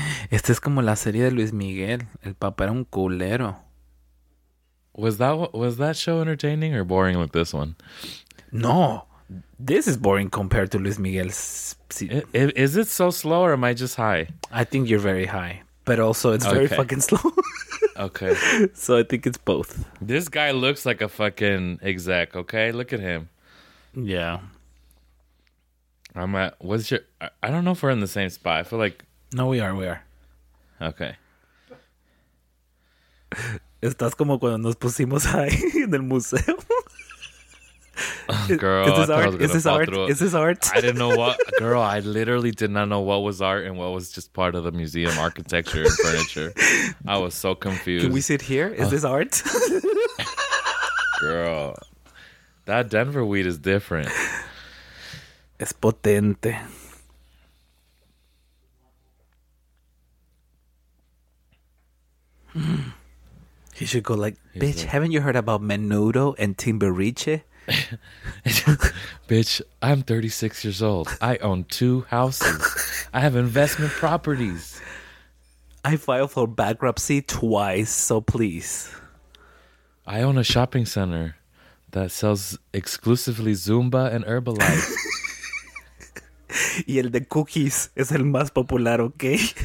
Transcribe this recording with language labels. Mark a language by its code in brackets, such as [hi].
[es] Este es como la serie de Luis Miguel. El papá era un culero. [en] Was that show entertaining or boring like this one? No. This is boring compared to Luis Miguel's. Is it so slow or am I just high? I think you're very high. But also, it's very fucking slow. Okay. So I think it's both. This guy looks like a fucking exec, okay? Look at him. Yeah. I don't know if we're in the same spot. I feel like... No, we are. Okay. [es] Estás como cuando nos pusimos ahí en el museo. [en] Girl, is this art? I didn't know what. Girl, I literally did not know what was art and what was just part of the museum architecture and furniture. I was so confused. Can we sit here? Is this art? Girl, that Denver weed is different. [es] Es potente. [en] He should go like, bitch. Haven't you heard about Menudo and Timbiriche? Bitch, I'm 36 years old. I own 2 houses. I have investment properties. I filed for bankruptcy 2x, so please. I own a shopping center that sells exclusively Zumba and Herbalife. [es] Y el de cookies es el más popular, okay?